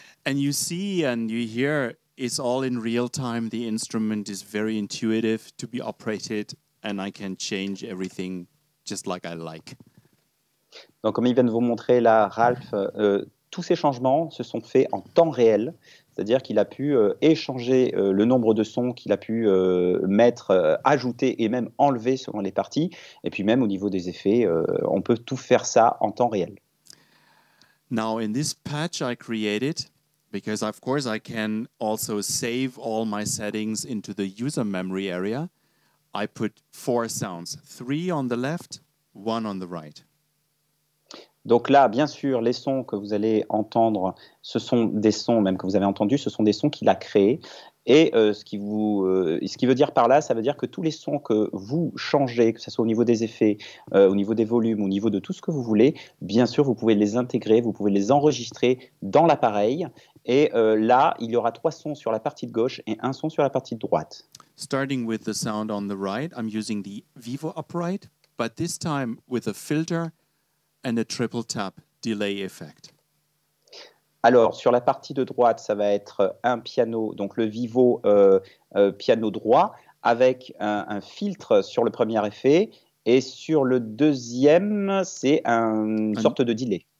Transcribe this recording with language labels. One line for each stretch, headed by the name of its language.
English: And you see and you hear, it's all in real time. The instrument is very intuitive to be operated and I can change everything just like I like.
French: Donc, comme il vient de vous montrer là, Ralph, tous ces changements se sont faits en temps réel. C'est-à-dire qu'il a pu échanger le nombre de sons qu'il a pu mettre, ajouter et même enlever selon les parties. Et puis même au niveau des effets, on peut tout faire ça en temps réel.
English: Now in this patch I created, because of course I can also save all my settings into the user memory area, I put four sounds, three on the left, one on the right.
French: Donc là, bien sûr, les sons que vous allez entendre, ce sont des sons, même que vous avez entendus, ce sont des sons qu'il a créés. Et ce qui veut dire par là, ça veut dire que tous les sons que vous changez, que ce soit au niveau des effets, au niveau des volumes, au niveau de tout ce que vous voulez, bien sûr, vous pouvez les intégrer, vous pouvez les enregistrer dans l'appareil. Et là, il y aura trois sons sur la partie de gauche et un son sur la partie de droite.
English: Starting with the sound on the right, I'm using the Vivo Upright, but this time with a filter and a triple tap delay effect.
French: Alors, sur la partie de droite, ça va être un piano, donc le Vivo piano droit, avec un filtre sur le premier effet, et sur le deuxième, c'est une sorte de delay.